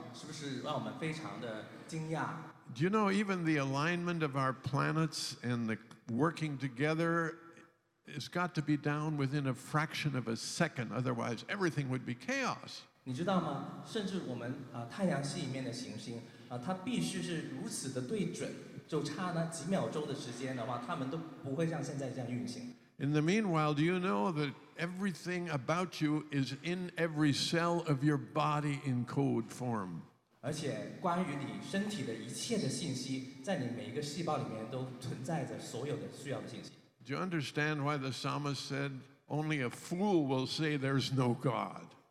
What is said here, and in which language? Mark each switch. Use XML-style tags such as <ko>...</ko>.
<zh>他这位造物主所做的一切的奇妙，是不是让我们非常的惊讶？</zh> <en>Do you know even the alignment of our planets and the working together has got to be down within a fraction of a second, otherwise everything would be chaos.</en> <zh>你知道吗？甚至我们 太阳系里面的行星 它必须是如此的对准，就差那几秒钟的时间的话，它们都不会像现在这样运行。</zh> <en>In the meanwhile, do you know that everything about you is in every cell of your body in code form? Do you understand why the psalmist said, only a fool will say there's no God?</en>